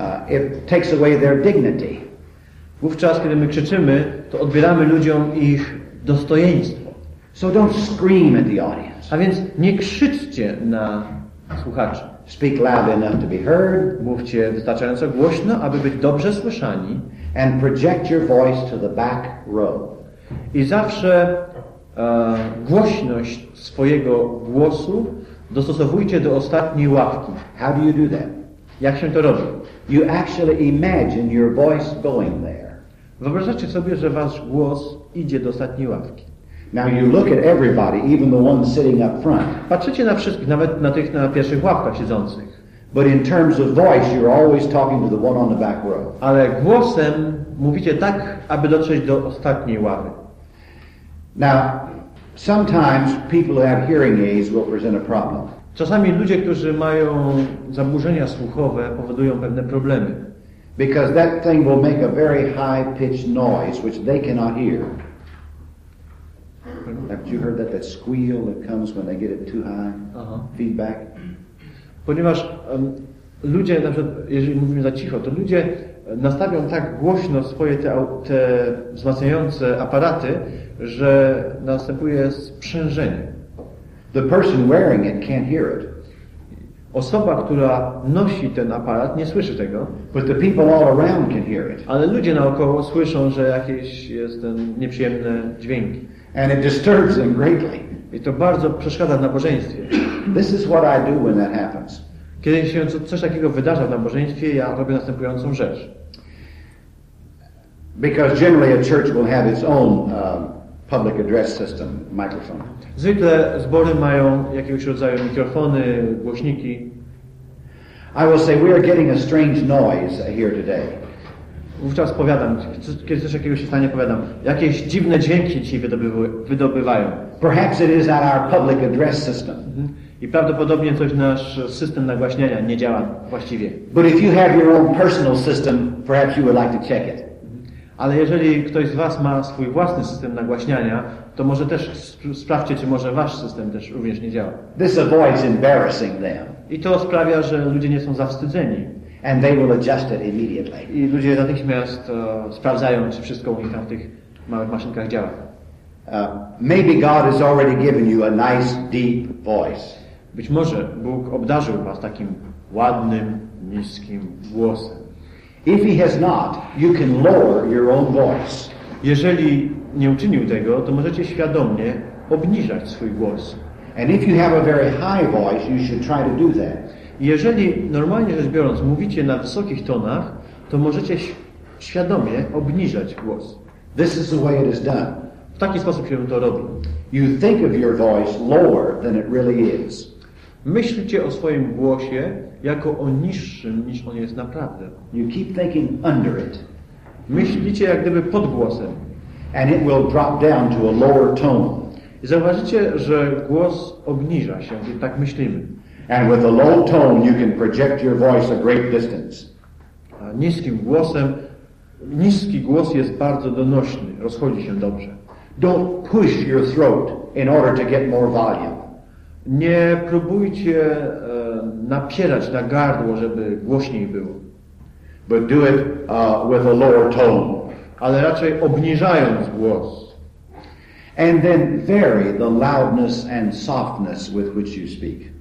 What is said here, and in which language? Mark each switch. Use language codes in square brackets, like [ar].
[en] It takes away their dignity. [pl] Wówczas, kiedy my krzyczymy, to odbieramy ludziom ich dostojeństwo. [en] So don't scream at the audience. [pl] A więc nie krzyczcie na słuchaczy. [en] Speak loud enough to be heard. [pl] Mówcie wystarczająco głośno, aby być dobrze słyszani. [en] And project your voice to the back row. [pl] I zawsze głośność swojego głosu dostosowujcie do ostatniej ławki. [en] How do you do that? [pl] Jak się to robi? [en] You actually imagine your voice going there. [pl] Wyobrażacie sobie, że wasz głos idzie do ostatniej ławki. [en] Now you look at everybody, even the ones sitting up front. [pl] Patrzycie na wszystkich, nawet na tych na pierwszych ławkach siedzących. [en] But in terms of voice, you're always talking to the one on the back row. [pl] Ale głosem mówicie tak, aby dotrzeć do ostatniej ławy. [en] Now, sometimes people who have hearing aids will present a problem. [pl] Czasami ludzie, którzy mają zaburzenia słuchowe, powodują pewne problemy. [en] Because that thing will make a very high-pitched noise, which they cannot hear. Have you heard that squeal that comes when they get it too high? Uh-huh. Feedback? [pl] Ponieważ ludzie, na przykład, jeżeli mówimy za cicho, to ludzie nastawią tak głośno swoje te wzmacniające aparaty, że następuje sprzężenie. [en] The person wearing it can't hear it. [pl] Osoba, która nosi ten aparat, nie słyszy tego. [en] But the people all around can hear it. [pl] Ale ludzie naokoło słyszą, że jakieś jest ten nieprzyjemny dźwięk. [en] And it disturbs them greatly. [pl] I to bardzo przeszkadza w nabożeństwie. [en] This is what I do when that happens. [pl] Kiedy się coś takiego wydarza w nabożeństwie, ja robię następującą rzecz. [en] Because generally a church will have its own public address system, microphone. [pl] Zwykle zbory mają jakiegoś rodzaju mikrofony, głośniki. [en] I will say, we are getting a strange noise here today. [pl] Wówczas powiadam, kiedy coś jakiegoś się stanie, powiadam, jakieś dziwne dźwięki ci wydobywają. [en] Perhaps it is at our public address system. [pl] I prawdopodobnie coś nasz system nagłaśniania nie działa właściwie. [en] But if you have your own personal system, perhaps you would like to check it. [pl] Ale jeżeli ktoś z was ma swój własny system nagłaśniania, to może też sprawdźcie, czy może wasz system też również nie działa. [en] This avoids embarrassing them. [pl] I to sprawia, że ludzie nie są zawstydzeni. [en] And they will adjust it immediately. [pl] I ludzie natychmiast sprawdzają, czy wszystko u nich tam w tych małych maszynkach działa. [en] Maybe God has already given you a nice, deep voice. [pl] Być może Bóg obdarzył was takim ładnym, niskim głosem. [en] If he has not, you can lower your own voice. [pl] Jeżeli nie uczynił tego, to możecie świadomie obniżać swój głos. [en] And if you have a very high voice, you should try to do that. [pl] Jeżeli normalnie rzecz biorąc mówicie na wysokich tonach, to możecie świadomie obniżać głos. [en] This is the way it is done. [pl] W taki sposób się to robi. [en] You think of your voice lower than it really is. [pl] Myślicie o swoim głosie jako o niższym niż on jest naprawdę. [en] You keep thinking under it. [pl] Myślicie jak gdyby pod głosem. [en] And it will drop down to a lower tone. [pl] I zauważycie, że głos obniża się, i tak myślimy. [en] And with a low tone you can project your voice a great distance. [pl] A niskim głosem, niski głos jest bardzo donośny, rozchodzi się dobrze. [en] Don't push your throat in order to get more volume. [pl] Nie próbujcie napierać na gardło, żeby głośniej było. [en] But do it with a lower tone. [pl] Ale raczej obniżając głos. [en] And then vary the loudness and softness with which you speak.